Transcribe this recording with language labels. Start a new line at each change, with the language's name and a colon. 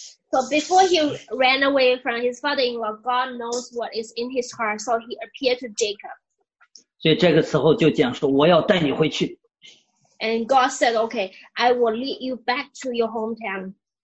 English: So before he ran away from his father-in-law, God knows what is in his heart, so he appeared to Jacob.
Chinese: 所以这个时候就讲说，我要带你回去。
English: And God said, okay, I will lead you back to your hometown.